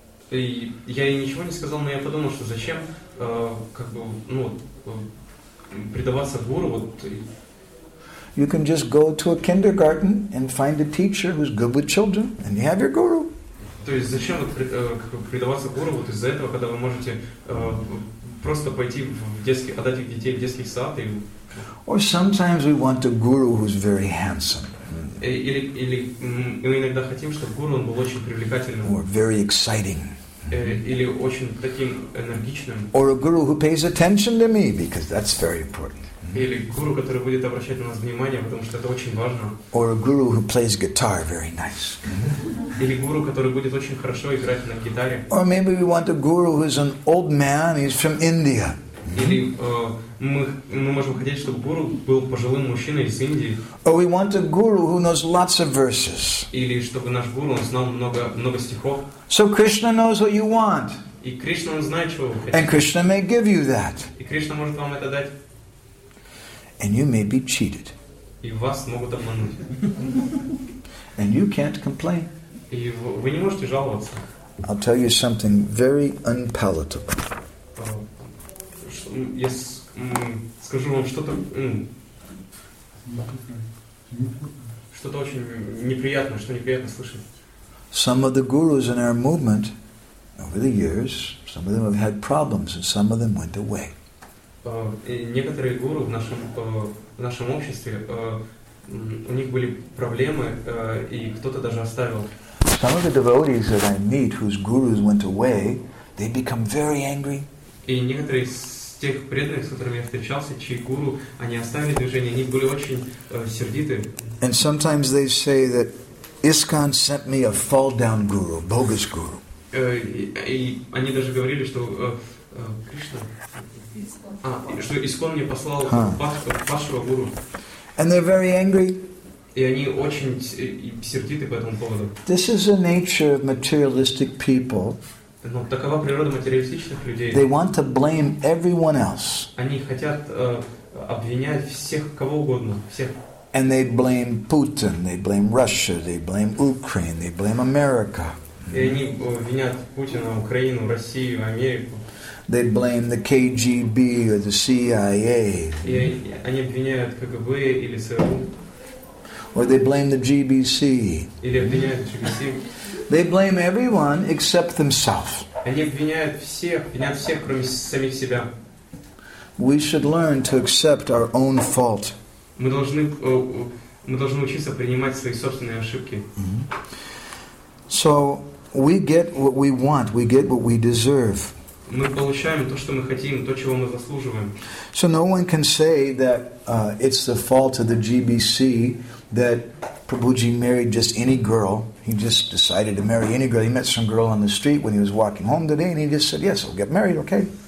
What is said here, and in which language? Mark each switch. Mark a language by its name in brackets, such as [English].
[Russian] Я ей ничего не сказал, но я подумал, что зачем как бы, ну, предаваться гуру. Вот. [English] You can just go to a kindergarten and find a teacher who's good with children, and you have your guru. [Russian] То есть зачем вот предаваться гуру вот из-за этого, когда вы можете просто пойти в детский, отдать их детей в детский сад и. [English] Or sometimes we want a guru who's very handsome. [Russian] Или мы иногда хотим, чтобы гуру он был очень привлекательным. [English] Or very exciting. [Russian] Или очень таким энергичным. [English] Or a guru who pays attention to me, because that's very important. [Russian] Или гуру, который будет обращать на нас внимание, потому что это очень важно. [English] Or a guru who plays guitar very nice. [Russian] Или гуру, который будет очень хорошо играть на гитаре. [English] Or maybe we want a guru who's an old man, he's from India. [Russian] Или мы можем хотеть, чтобы гуру был пожилым мужчиной из Индии. [English] Or we want a guru who knows lots of verses. [Russian] Или чтобы наш гуру знал много стихов. [English] So Krishna knows what you want. [Russian] И Кришна знает, чего вы хотите. [English] And Krishna may give you that. [Russian] И Кришна может вам это дать. [English] And you may be cheated. [Russian] И вас могут обмануть. [English] And you can't complain. [Russian] И вы не можете жаловаться. [English] I'll tell you something very unpalatable. [Russian] Я скажу вам что-то, что-то очень неприятное, что неприятно слышать. [English] Some of the gurus in our movement, over the years, some of them have had problems, and some of them went away. [Russian] Некоторые гуру в нашем обществе, у них были проблемы, и кто-то даже оставил. [English] Some of the devotees that I meet whose gurus went away, they become very angry. [Russian] И некоторые из тех преданных, с которыми я встречался, чьи гуру, они оставили движение, они были очень сердиты. [English] And sometimes they say that ISKCON sent me a fall down guru, bogus guru. [Russian] И они даже говорили, что Кришна, что ISKCON мне послал падшего гуру. [English] And they're very angry. [Russian] И они очень сердиты по этому поводу. [English] This is the nature of materialistic people. [Russian] Но такова природа материалистичных людей. [English] They want to blame everyone else. [Russian] Они хотят обвинять всех, кого угодно, всех. [English] And they blame Putin, they blame Russia, they blame Ukraine, they blame America. [Russian] И они обвиняют Путина, Украину, Россию, Америку. [English] They blame the KGB or the CIA. [Russian] И они обвиняют КГБ или ЦРУ. [English] Or they blame the GBC. [Russian] Или обвиняют GBC. [English] They blame everyone except themselves. [Russian] Они обвиняют всех, кроме самих себя. [English] We should learn to accept our own fault. [Russian] Мы должны учиться принимать свои собственные ошибки. Mm-hmm. [English] So we get what we want, we get what we deserve. [Russian] Мы получаем то, что мы хотим, то, чего мы заслуживаем. [English] So no one can say that it's the fault of the GBC that Prabhuji married just any girl. He just decided to marry any girl. He met some girl on the street when he was walking home today, and he just said, "Yes, I'll get married, okay?"